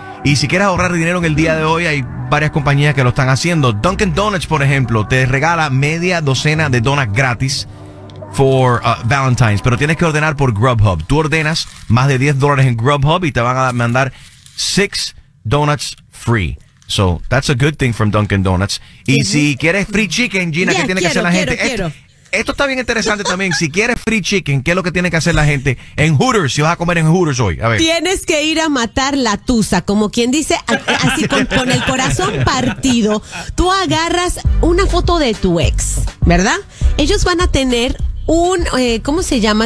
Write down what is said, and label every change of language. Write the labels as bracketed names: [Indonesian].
[Spanish] Y si quieres ahorrar dinero en el día de hoy, hay varias compañías que lo están haciendo. Dunkin' Donuts, por ejemplo, te regala media docena de donas gratis for Valentine's, pero tienes que ordenar por Grubhub. Tú ordenas más de $10 en Grubhub y te van a mandar 6 donuts free. [English] So, that's a good thing from Dunkin' Donuts. [Spanish] Y si quieres free chicken, Gina, yeah, ¿qué tiene que hacer la gente? Esto está bien interesante también. Si quieres free chicken, ¿qué es lo que tiene que hacer la gente en Hooters? Si vas a comer en Hooters hoy, a ver. Tienes que ir a matar la tusa, como quien dice, así con el corazón partido. Tú agarras una foto de tu ex, ¿verdad? Ellos van a tener ¿cómo se llama?